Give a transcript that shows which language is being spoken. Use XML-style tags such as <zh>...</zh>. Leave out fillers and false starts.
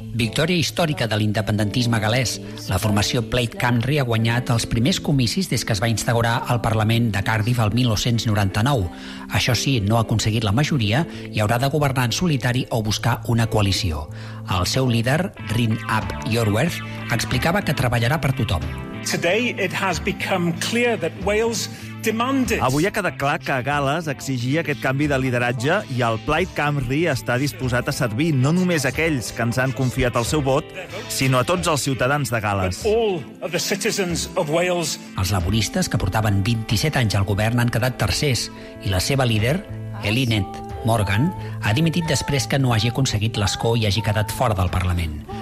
<ca>Victòria històrica de l'independentisme galès. La formació Plaid Cymru ha guanyat els primers comicis des que es va instaurar al Parlament de Cardiff el 1999. Això sí, no ha aconseguit la majoria i haurà de governar en solitari o buscar una coalició. El seu líder, Rin Ap Iorwerth, explicava que treballarà per tothom.</ca> <en>Today it has become clear that Wales...</en> <ca>Avui ha quedat clar que Gal·les exigia aquest canvi de lideratge i el Plaid Cymru està disposat a servir no només aquells que ens han confiat el seu vot, sinó a tots els ciutadans de Gal·les. Els laboristes, que portaven 27 anys al govern, han quedat tercers i la seva líder, Elinet Morgan, ha dimitit després que no hagi aconseguit l'escó i hagi quedat fora del Parlament.</ca>